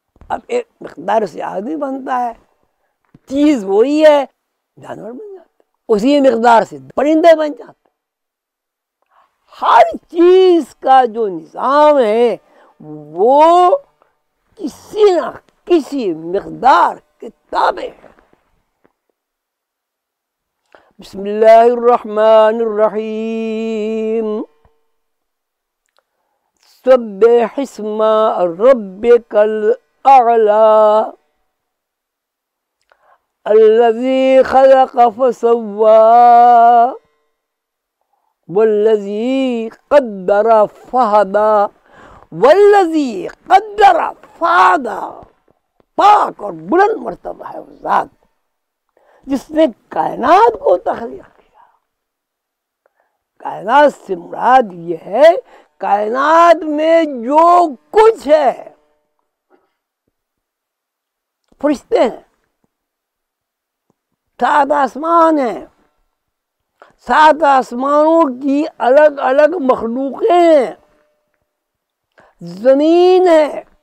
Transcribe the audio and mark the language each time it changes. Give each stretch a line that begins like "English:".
Urdu: اب ایک مقدار سے آدمی بنتا ہے، چیز وہی ہے، جانور بن جاتا ہے، اسی مقدار سے پرندے بن جاتا ہے. ہر چیز کا جو نظام ہے وہ کسی نہ کسی مقدار کے تابع ہے.
Arabic: بسم اللہ الرحمن الرحیم، سبح اسم ربک الاعلى الذي خلق فسوى والذي قدر فهدى والذي قدر فهدى.
Urdu: پاک اور بلند مرتبہ ہے وہ ذات جس نے کائنات کو تخلیق کیا. کائنات سے مراد یہ ہے کائنات میں جو کچھ ہے، فرشتے ہیں، سات آسمان ہیں، سات آسمانوں کی الگ الگ مخلوقیں ہیں، زمین ہے،